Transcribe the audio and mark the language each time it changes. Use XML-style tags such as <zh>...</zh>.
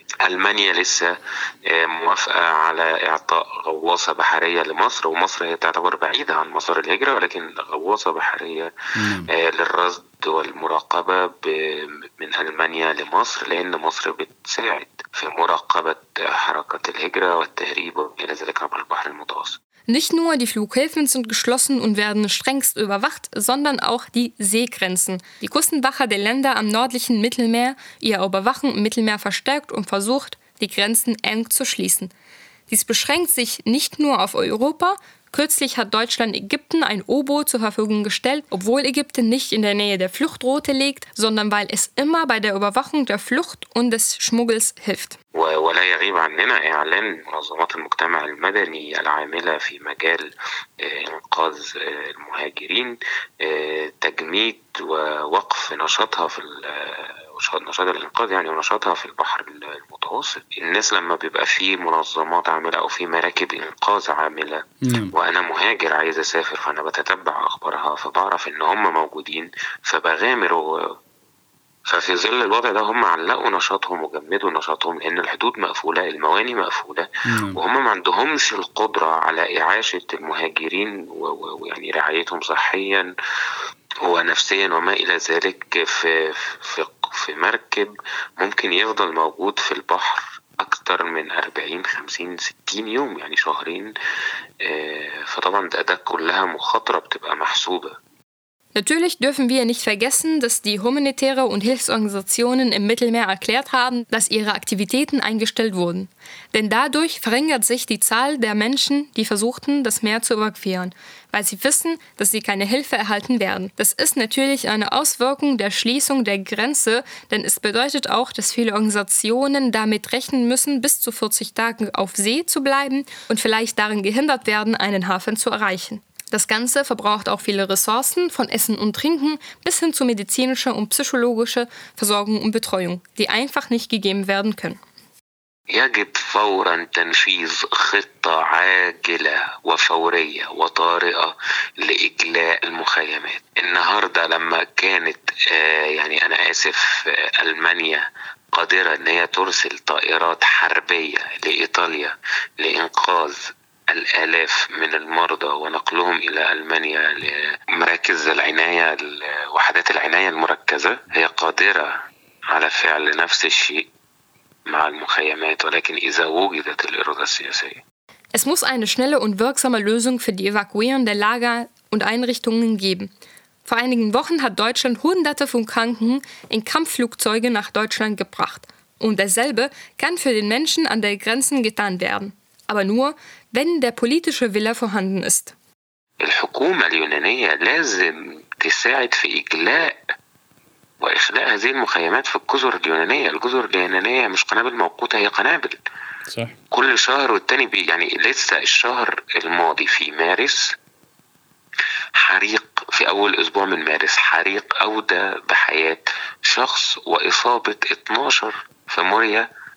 <ar>المانيا لسه موافقه على اعطاء غواصه بحريه لمصر، ومصر هي تعتبر بعيده عن مسار الهجره، ولكن غواصه بحريه للرصد والمراقبه من المانيا لمصر، لان مصر بتساعد في مراقبه حركه الهجره والتهريب الى ذلك عبر البحر المتوسط.</ar> <de>Nicht nur die Flughäfen sind geschlossen und werden strengst überwacht, sondern auch die Seegrenzen. Die Küstenwache der Länder am nördlichen Mittelmeer, ihre Überwachung im Mittelmeer verstärkt und versucht, die Grenzen eng zu schließen. Dies beschränkt sich nicht nur auf Europa. Kürzlich hat Deutschland Ägypten ein U-Boot zur Verfügung gestellt, obwohl Ägypten nicht in der Nähe der Fluchtroute liegt, sondern weil es immer bei der Überwachung der Flucht und des Schmuggels hilft.</de> <ar>ولا يغيب عننا إعلان منظمات المجتمع المدني العاملة في مجال إنقاذ المهاجرين تجميد ووقف نشاطها في نشاط الإنقاذ يعني ونشاطها في البحر المتوسط. الناس لما بيبقى في منظمات عاملة أو في مراكب إنقاذ عاملة وأنا مهاجر عايز أسافر فأنا بتتبع أخبارها فبعرف إن هم موجودين فبغامر ففي ظل الوضع ده هم علقوا نشاطهم وجمدوا نشاطهم لأن الحدود مقفولة المواني مقفولة وهم ما عندهمش القدرة على إعاشة المهاجرين ويعني رعايتهم صحيا ونفسيا وما إلى ذلك في مركب ممكن يفضل موجود في البحر أكتر من 40-50-60 يوم يعني شهرين فطبعا ده كلها مخاطرة بتبقى محسوبة.</ar> <de>Natürlich dürfen wir nicht vergessen, dass die humanitäre und Hilfsorganisationen im Mittelmeer erklärt haben, dass ihre Aktivitäten eingestellt wurden. Denn dadurch verringert sich die Zahl der Menschen, die versuchten, das Meer zu überqueren, weil sie wissen, dass sie keine Hilfe erhalten werden. Das ist natürlich eine Auswirkung der Schließung der Grenze, denn es bedeutet auch, dass viele Organisationen damit rechnen müssen, bis zu 40 Tagen auf See zu bleiben und vielleicht darin gehindert werden, einen Hafen zu erreichen. Das Ganze verbraucht auch viele Ressourcen, von Essen und Trinken bis hin zu medizinischer und psychologischer Versorgung und Betreuung, die einfach nicht gegeben werden können.</de> <ar>يجب فورا تنفيذ خطة عاجلة وفورية وطارئة لإجلاء المخيمات. النهاردة لما كانت يعني أنا آسف ألمانيا قادرة إن هي ترسل طائرات حربية لإيطاليا لإنقاذ الآلاف من المرضى ونقلهم إلى ألمانيا لمراكز العناية وحدات العناية المركزة هي قادرة على فعل نفس الشيء مع المخيمات ولكن إذا وجدت الإرادة السياسية.</ar> <de>Es muss eine schnelle und wirksame Lösung für die Evakuierung der Lager und Einrichtungen geben. Vor einigen Wochen hat Deutschland Hunderte von Kranken in Kampfflugzeuge nach Deutschland gebracht und dasselbe kann für den Menschen an der Grenze getan werden. Aber nur, wenn der politische Wille vorhanden ist.</de> <ar>الحكومة اليونانية لازم تساعد في إجلاء وإخلاء هذه المخيمات في الجزر اليونانية. الجزر اليونانية مش قنابل موقوتة هي قنابل. صح. كل شهر والتاني يعني لسه الشهر الماضي في مارس حريق في أول أسبوع من مارس حريق أودى بحياة شخص وإصابة 12 في موريا.</ar>